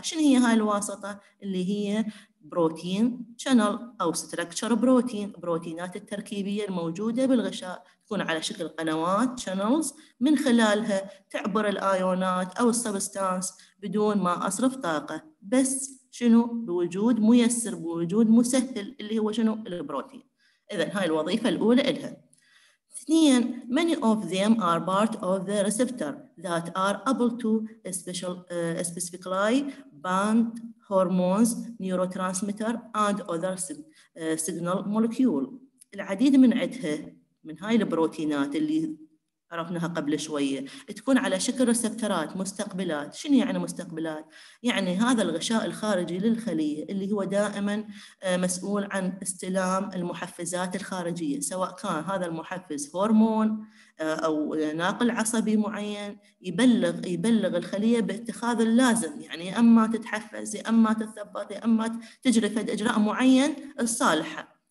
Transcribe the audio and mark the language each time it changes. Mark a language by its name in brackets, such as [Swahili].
[Arabic] شنو هي هاي الواسطة؟ اللي هي بروتين شانل او ستراكشر بروتين، بروتينات التركيبيه الموجوده بالغشاء تكون على شكل قنوات شانلز، من خلالها تعبر الايونات او السبستانس بدون ما اصرف طاقه، بس شنو؟ بوجود ميسر، بوجود مسهل اللي هو شنو؟ البروتين. اذا هاي الوظيفه الاولى لها. اثنين، [English] many of them are part of the receptor that are able to specifically bind hormones, neurotransmitter and other signal molecule. [Arabic] العديد من عدها من هاي البروتينات اللي عرفناها قبل شوية تكون على شكل ريسبترات مستقبلات. شنو يعني مستقبلات؟ يعني هذا الغشاء الخارجي للخلية اللي هو دائما مسؤول عن استلام المحفزات الخارجية، سواء كان هذا المحفز هرمون أو ناقل عصبي معين، يبلغ الخلية باتخاذ اللازم، يعني أما تتحفز أما تتثبط أما تجري فد إجراء معين الصالحة.